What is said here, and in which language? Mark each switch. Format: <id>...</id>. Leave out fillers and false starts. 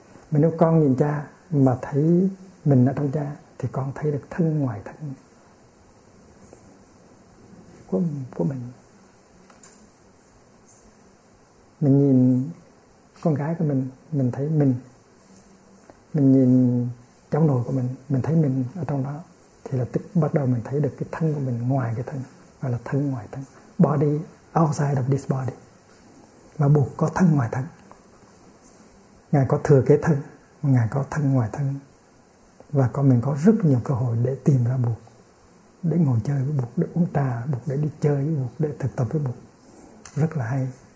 <vi>Mình nếu con nhìn cha mà thấy mình ở trong cha thì con thấy được thân ngoài thân của mình. Mình nhìn con gái của mình thấy mình. Mình nhìn cháu nội của mình thấy mình ở trong đó. Thì là tức bắt đầu mình thấy được cái thân của mình ngoài cái thân, gọi là thân ngoài thân.</vi> <en>Body outside of this body.</en> <vi>Mà Bụt có thân ngoài thân. Ngài có thừa kế thân, Ngài có thân ngoài thân và con mình có rất nhiều cơ hội để tìm ra Bụt, để ngồi chơi với Bụt, để uống trà với Bụt, để đi chơi với Bụt, để thực tập với Bụt, rất là hay.</vi>